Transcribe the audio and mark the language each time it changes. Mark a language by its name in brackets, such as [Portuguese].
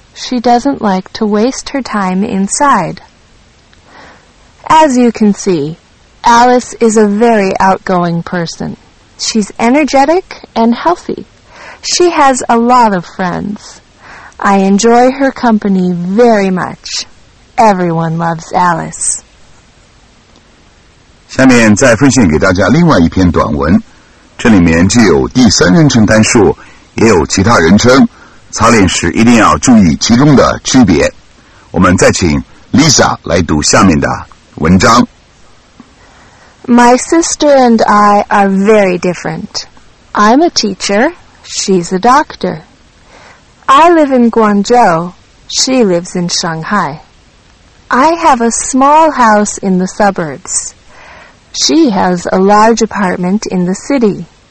[English] She doesn't like to waste her time inside. As you can see, Alice is a very outgoing person. She's energetic and healthy. She has a lot of friends. I enjoy her company very much. Everyone loves Alice. [Chinese] 下面再分享给大家另外一篇短文，这里面既有第三人称单数，也有其他人称，操练时一定要注意其中的区别。我们再请 Lisa 来读下面的文章。 [English] My sister and I are very different. I'm a teacher. She's a doctor. I live in Guangzhou. She lives in Shanghai. I have a small house in the suburbs. She has a large apartment in the city.